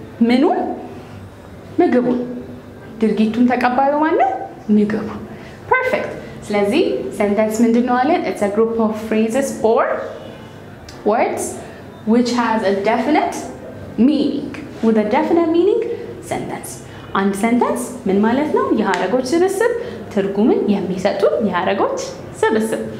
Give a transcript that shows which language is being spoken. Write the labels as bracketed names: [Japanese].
[Amharic] ምኑ ምግቡ ድርጊቱን ተቀባዩ ማለት ምግቡ. [English] Perfect. [Amharic] ስለዚህ sentence ምንድነው አለ? [English] It's a group of phrases or words which has a definite meaning. With a definite meaning sentence. [Amharic] አንድ sentence ምን ማለት ነው? የሐረጎች ስብስብ ትርጉምን የሚሰጡ የሐረጎች ስብስብ.